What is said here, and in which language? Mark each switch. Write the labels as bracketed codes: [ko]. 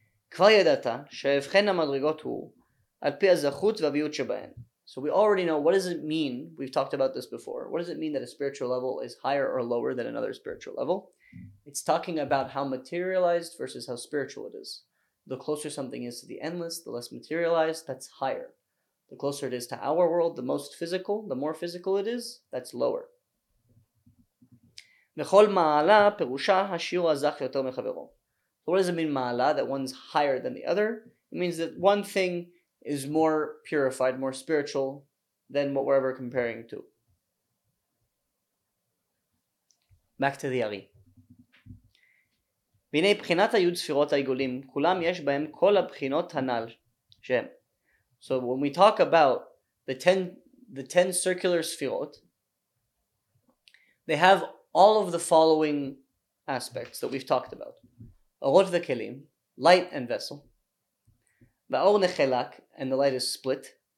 [he] כבר ידעת שהבחן המדרגות הוא על פי הזכות והביעות שבהן. [en] So we already know, what does it mean? We've talked about this before. What does it mean that a spiritual level is higher or lower than another spiritual level? It's talking about how materialized versus how spiritual it is. The closer something is to the endless, the less materialized, that's higher. The closer it is to our world, the most physical, the more physical it is, that's lower. [he] וכל מעלה פירושה השיעור הזך יותר מחברו. [en] So what does it mean, מעלה, that one's higher than the other? It means that one thing is more purified, more spiritual than what we're ever comparing to. Back to the Ari. [he] והנה בחינת היוד ספירות העיגולים, כולם יש בהם כל הבחינות הנ"ל שהם. [en] So when we talk about the ten circular spherot, they have all of the following aspects that we've talked about. [he] Orot v'kelim, [en] light and vessel. [he] Va'or nechelak, [en] and the light is split.